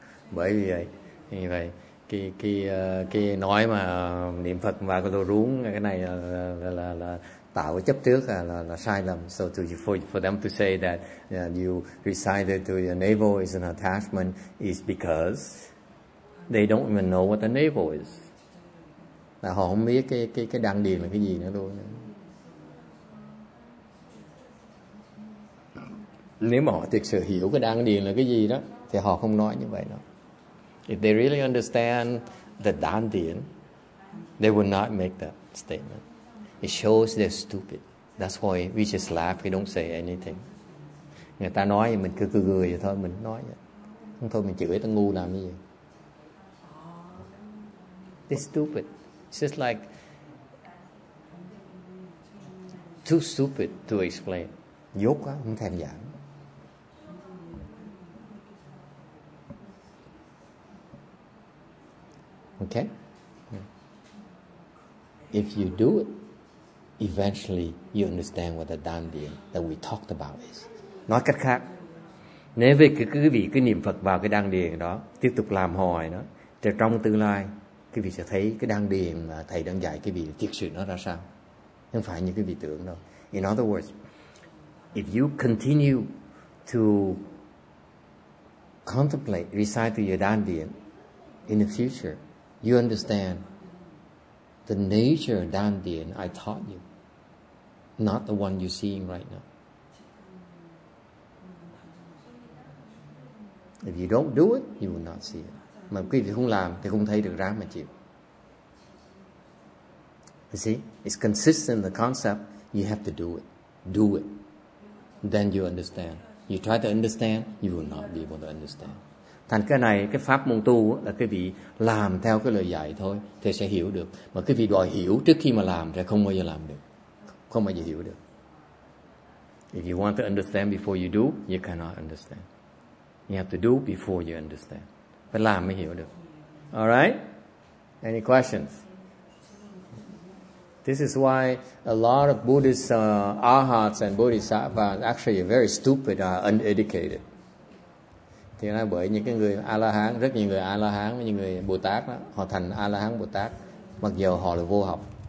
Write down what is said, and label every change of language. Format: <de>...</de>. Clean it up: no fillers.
<vi>Bởi vì vậy, cái nói mà niệm Phật và cái đồ rúng cái này là tạo chấp trước là sai lầm.</vi> <en>So for them to say that you recited to your navel is an attachment is because they don't even know what the navel is.</en> <vi>Là họ không biết cái đan điền là cái gì nữa luôn. Nếu mà họ thực sự hiểu cái đan điền là cái gì đó thì họ không nói như vậy đâu.</vi> <en>If they really understand the đan điền, they would not make that statement. It shows they're stupid. That's why we just laugh, we don't say anything.</en> <vi>Người ta nói mình cứ cười vậy thôi, mình nói vậy. Không thôi mình chửi ta ngu làm cái gì.</vi> <en>They're stupid. It's just like too stupid to explain.</en> <vi>Dốt quá, không thèm giảng.</vi> <en>Okay. If you do it, eventually you understand what the dandian that we talked about is.</en> <vi>Nói cách khác, nếu về cái quý vị cứ niệm Phật vào cái dandian đó, tiếp tục làm hồi nó, thì trong tương lai quý vị sẽ thấy cái đan điền mà thầy đang dạy quý vị thiệt sự nó ra sao, không phải như quý vị tưởng đâu.</vi> <en>In other words, if you continue to contemplate, recite to your đan điền in the future, you understand the nature of đan điền I taught you, not the one you're seeing right now. If you don't do it, you will not see it.</en> <vi>Mà quý vị không làm thì không thấy được, ráng mà chịu.</vi> <en>You see, it's consistent in the concept. You have to do it. Do it. Then you understand. You try to understand, you will not be able to understand.</en> <vi>Thành cái này, cái pháp môn tu là quý vị làm theo cái lời dạy thôi, thì sẽ hiểu được. Mà quý vị đòi hiểu trước khi mà làm thì không bao giờ làm được. Không bao giờ hiểu được.</vi> <en>If you want to understand before you do, you cannot understand. You have to do before you understand.</en> <vi>Phải làm mới hiểu được.</vi> <en>Alright? Any questions? This is why a lot of Buddhist arhats and bodhisattvas actually are very stupid, uneducated.</en> <vi>Thì là bởi những cái người A-la-hán, rất nhiều người A-la-hán với những người Bồ-Tát đó, họ thành A-la-hán Bồ-Tát, mặc dù họ là vô học.</vi>